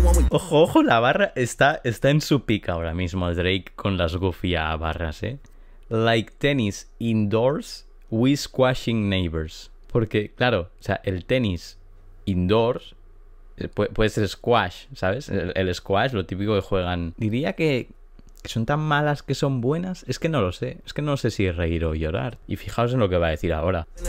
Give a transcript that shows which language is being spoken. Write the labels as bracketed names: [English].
[Spanish] Ojo, la barra está en su pica ahora mismo, Drake, con las goofy a barras, ¿eh? [English] Like tennis indoors, we squashing neighbors. [Spanish] Porque, claro, o sea, el tenis indoors puede ser squash, ¿sabes? El squash, lo típico que juegan. Diría que son tan malas que son buenas. Es que no lo sé. Es que no sé si reír o llorar. Y fijaos en lo que va a decir ahora.